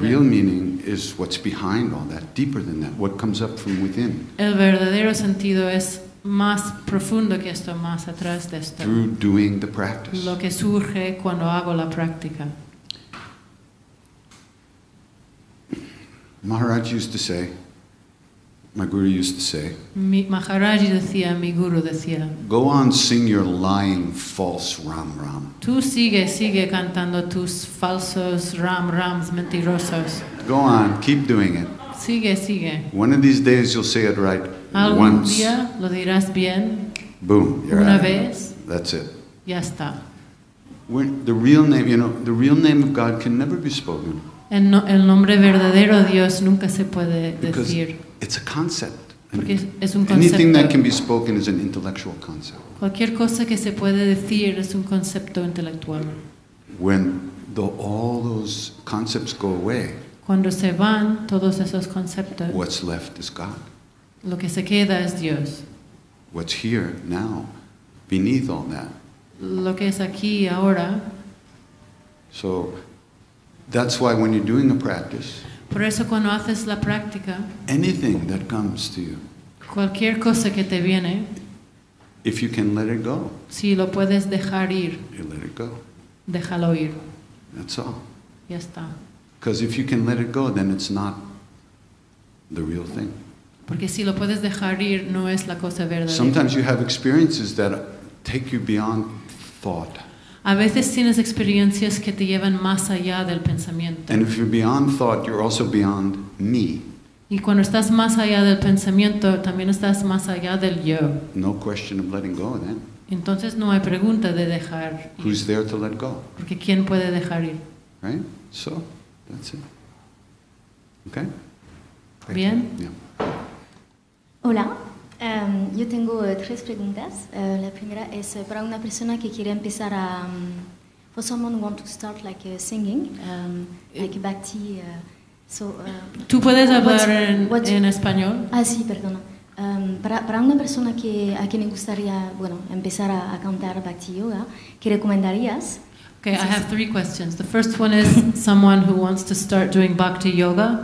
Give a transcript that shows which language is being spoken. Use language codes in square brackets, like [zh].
[en] The real meaning is what's behind all that, deeper than that, what comes up from within. [es] El verdadero sentido es más profundo que esto, más atrás de esto. [en] Through doing the practice. [es] Lo que surge cuando hago la práctica. [en] Maharaj used to say. My guru used to say, [es] mi Maharaji decía, mi guru decía, [en] go on, sing your lying, false ram ram. [es] Tú sigue, sigue cantando tus falsos ram rams mentirosos. [en] Go on, keep doing it. [es] Sigue, sigue. [en] One of these days you'll say it right. [es] Algún [en] once. [es] Algún día lo dirás bien. [en] Boom, you're [es] una [en] out. [es] Vez. [en] That's it. [es] Ya está. [en] The real name, you know, the real name of God can never be spoken. [es] El nombre verdadero de Dios nunca se puede decir. [en] It's a concept. [es] Es un concepto. [en] Anything that can be spoken is an intellectual concept. [es] Cualquier cosa que se puede decir es un concepto intelectual. [en] When all those concepts go away, [es] cuando se van todos esos conceptos, [en] what's left is God. [es] Lo que se queda es Dios. [en] What's here now, beneath all that. [es] Lo que es aquí ahora. [en] So, that's why when you're doing a practice, [es] por eso cuando haces la práctica, [en] anything that comes to you, [es] cualquier cosa que te viene, [en] if you can let it go, [es] si lo puedes dejar ir, [en] you let it go. [es] Déjalo ir. [en] That's all. [es] Ya está. [en] Because if you can let it go, then it's not the real thing. [es] Porque si lo puedes dejar ir, no es la cosa verdadera. [en] Sometimes you have experiences that take you beyond thought. [es] A veces tienes experiencias que te llevan más allá del pensamiento. [en] And if you're beyond thought, you're also beyond me. [es] Y cuando estás más allá del pensamiento, también estás más allá del yo. [en] No question of letting go, then. [es] Entonces no hay pregunta de dejar ir. [en] Who's there to let go? [es] Porque ¿quién puede dejar ir? [en] Right? So, that's it. Okay? [es] Thank ¿bien? [en] Yeah. [es] Hola. Yo tengo tres preguntas. La primera es para una persona que quiere empezar a [en] for someone who wants to start like singing, like bhakti. [es] ¿Tú puedes hablar en español? Ah, sí, perdona. Para una persona que a quien le gustaría, bueno, empezar a cantar bhakti yoga, ¿qué recomendarías? [en] Okay, I have three questions. The first one is someone who wants to start doing bhakti yoga.